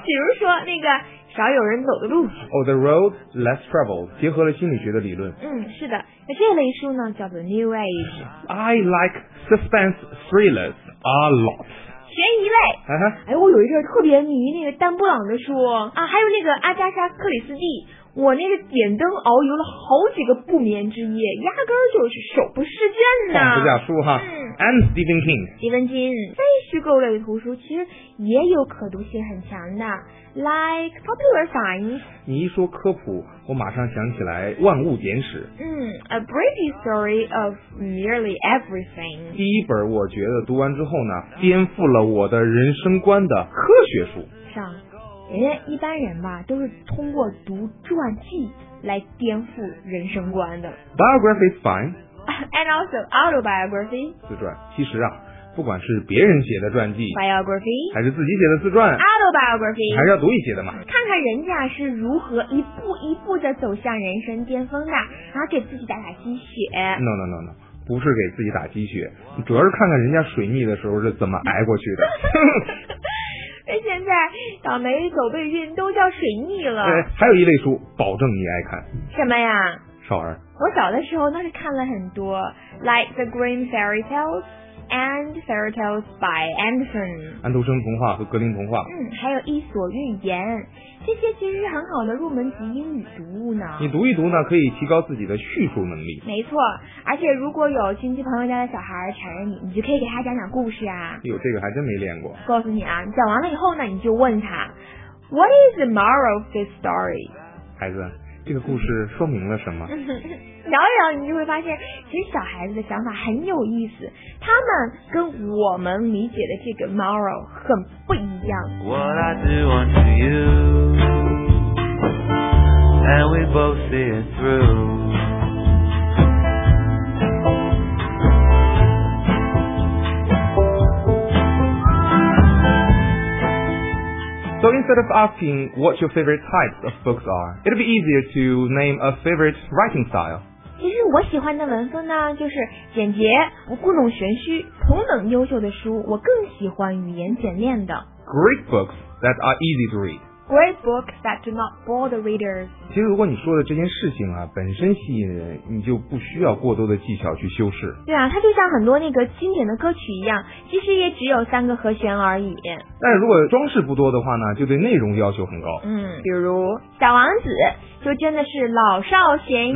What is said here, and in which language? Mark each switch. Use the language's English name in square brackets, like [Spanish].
[Chinese] 比如说那个少有人走的路， oh, The Road Less Traveled， 结合了心理学的理论。嗯，是的，那这类书呢叫做 New Age。 [English] I like suspense thrillers a lot。 [Chinese] 悬疑类。哎，我有一阵特别迷那个丹布朗的书啊，还有那个阿加莎·克里斯蒂。我那个点灯熬油了好几个不眠之夜，压根就是手不释卷呐。放不下书哈。嗯。 [English] And Stephen King。 Stephen King。 [Chinese] 非虚构类的图书其实也有可读性很强的 ， [English] like Popular Science。 [Chinese] 你一说科普，我马上想起来《万物简史》。 [English] 嗯 ，A Brief History of Nearly Everything。 [Chinese] 第一本我觉得读完之后呢，颠覆了我的人生观的科学书。上。人家一般人吧都是通过读传记来颠覆人生观的。 [English] Biography is fine and also autobiography [Chinese] 自传。其实啊，不管是别人写的传记 [English] biography [Chinese] 还是自己写的自传 [English] autobiography [Chinese] 还是要读一些的嘛，看看人家是如何一步一步的走向人生巅峰的，然后给自己打打鸡血。 No 不是给自己打鸡血，主要是看看人家水逆的时候是怎么挨过去的。现在倒霉走背运都叫水逆了。对，还有一类书保证你爱看。什么呀？少儿。我小的时候那是看了很多 [English] like the Grimm fairy tales and fairy tales by Anderson， [Chinese] 安徒生童话和格林童话。嗯，还有伊索寓言，这些其实是很好的入门级英语读物呢。你读一读呢可以提高自己的叙述能力。没错，而且如果有亲戚朋友家的小孩缠着你，你就可以给他讲讲故事啊。有这个还真没练过。告诉你啊，讲完了以后呢你就问他 [English] What is the moral of this story， [Chinese] 孩子这个故事说明了什么。聊一聊你就会发现其实小孩子的想法很有意思，他们跟我们理解的这个 moral 很不一样。 [English] What I do unto you And we both see it through So instead of asking what your favorite types of books are, it'd be easier to name a favorite writing style. [Chinese] 其实我喜欢的文风呢，就是简洁，不故弄玄虚。同等优秀的书，我更喜欢语言简练的。 [English] Great books that are easy to read. Great books that do not bore the readers. [Chinese] 其实如果你说的这件事情啊，本身吸引人，你就不需要过多的技巧去修饰。对啊，它就像很多那个经典的歌曲一样，其实也只有三个和弦而已。但如果装饰不多的话呢，就对内容要求很高。嗯，比如《小王子》就真的是老少咸宜。